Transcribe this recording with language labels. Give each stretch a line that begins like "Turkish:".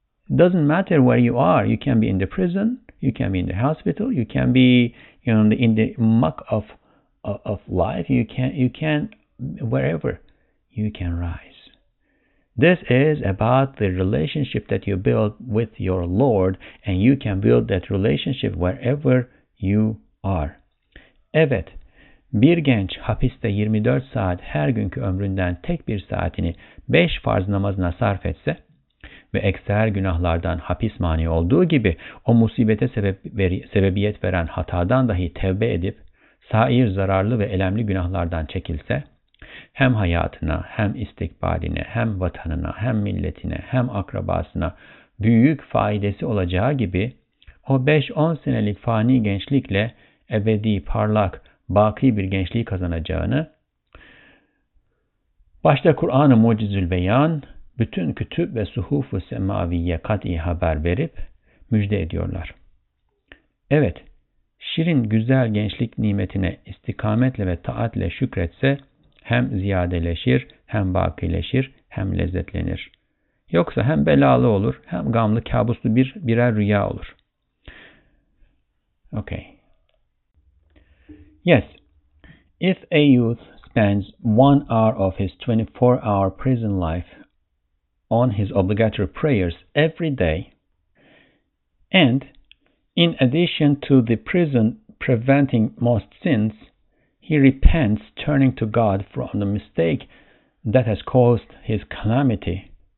English: It doesn't matter where you are. You can be in the prison, you can be in the hospital, you can be, you know, in the muck of life, you can wherever, you can rise. This is about the relationship that you build with your Lord, and you can build that relationship wherever you are.
Turkish: Evet, bir genç hapiste 24 saat her günkü ömründen tek bir saatini 5 farz namazına sarf etse ve ekser günahlardan hapis mani olduğu gibi o musibete sebebiyet veren hatadan dahi tevbe edip sair zararlı ve elemli günahlardan çekilse, hem hayatına, hem istikbaline, hem vatanına, hem milletine, hem akrabasına büyük faydası olacağı gibi, o 5-10 senelik fani gençlikle ebedi, parlak, baki bir gençliği kazanacağını, başta Kur'an-ı Mucizül Beyan, bütün kütüb ve suhuf-ı semaviye kat'i haber verip müjde ediyorlar. Evet, şirin güzel gençlik nimetine istikametle ve taatle şükretse, hem ziyadeleşir, hem bakileşir, hem lezzetlenir. Yoksa hem belalı olur, hem gamlı, kabuslu birer rüya olur.
English: Okay. Yes. If a youth spends 1 hour of his 24-hour prison life on his obligatory prayers every day, and in addition to the prison preventing most sins, he repents, turning to God from the mistake that has caused his calamity,